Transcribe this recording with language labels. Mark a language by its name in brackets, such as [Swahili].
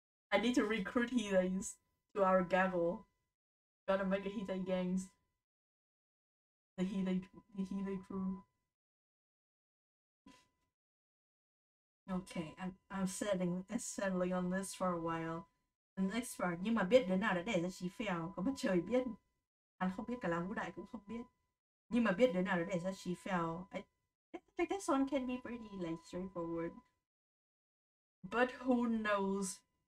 [English] I need to recruit heathens to our gaggle. Gotta make a heathen gangs. The healing crew. Okay, I'm settling on this for a while. The next part, [Vietnamese] nhưng mà biết đứa nào đã đẻ ra Chí Phèo, có mặt trời biết. Anh không biết, cả làng vũ đại cũng không biết. Nhưng mà biết đứa nào đã đẻ ra Chí Phèo. [English] I think this one can be pretty like straightforward. But who knows?